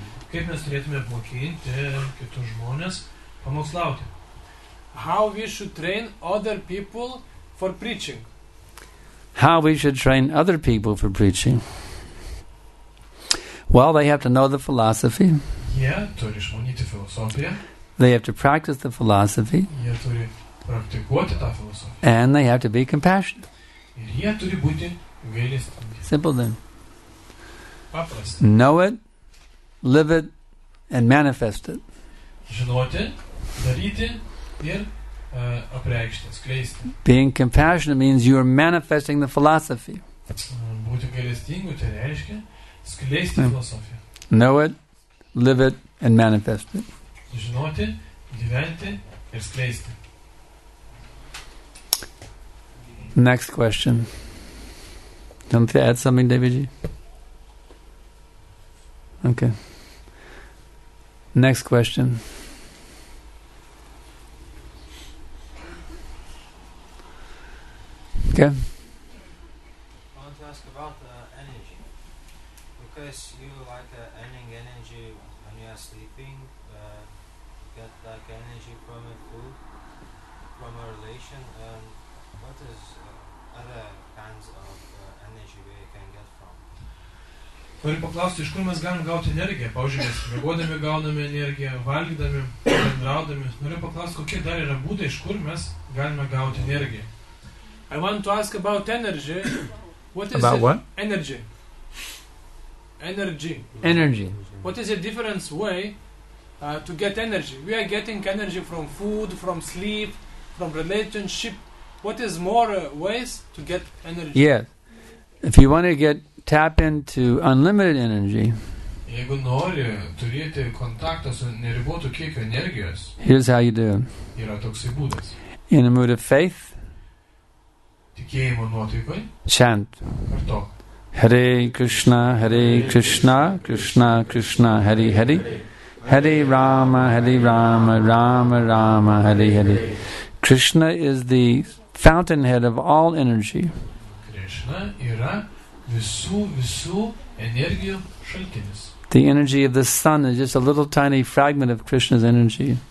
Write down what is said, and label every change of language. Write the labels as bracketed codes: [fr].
[lt] Kaip mes turėtume apmokinti kitus žmonės pamokslauti? [en] How we should train other people for preaching? How we should train other people for preaching? Well, they have to know the philosophy. [lt] Jie turi išmanyti filosofiją. [en] They have to practice the philosophy. [lt] Jie turi praktikuoti tą filosofiją. [en] And they have to be compassionate. [lt] Ir jie turi būti gailestingi. [en] Simple then. [lt] Paprasta. [en] Know it, live it, and manifest it. [lt] Žinoti, daryti ir apreikšti, skleisti. [en] Being compassionate means you are manifesting the philosophy. [lt] Būti gailestingu, tai reiškia skleisti filosofiją. [en] Know it, live it, and manifest it. [lt] Žinoti, gyventi ir skleisti. [en] Next question. Don't you add something, Deviji? Okay. Next question. Okay. I want to ask about the energy. Because you like earning energy when you are sleeping, get like energy from a food, from a relation, and what is other kinds of energy we can get from? [lt] Turi paklausti, iš kur mes galim gauti energiją? Pavyzdžiui, mes mėgodami gauname energiją, valgydami, bendraudami. Noriu paklausti, kokie dar yra būdai, iš kur mes galime gauti energiją? [en] I want to ask about energy. What is about it? What? Energy. Energy. Energy. What is a different way to get energy? We are getting energy from food, from sleep, from relationship. What is more ways to get energy? Yeah. If you want to get tap into unlimited energy. [lt] Jeigu nori turėti kontaktą su neribotu kiekio energijos. [en] Here's how you do it. [lt] Yra toks būdas. [en] In a mood of faith. [lt] Tikėjimo nuotaikoj. [en] Chant. [lt] Karto. [sa] Hare Krishna, Hare Krishna, Krishna Krishna, Hare Hare. Hare Rama, Hare Rama, Rama Rama, Hare Hare. [en] Krishna is the fountainhead of all energy. [lt] Krishna yra visų energijų šaltinis. [en] The energy of the sun is just a little tiny fragment of Krishna's energy.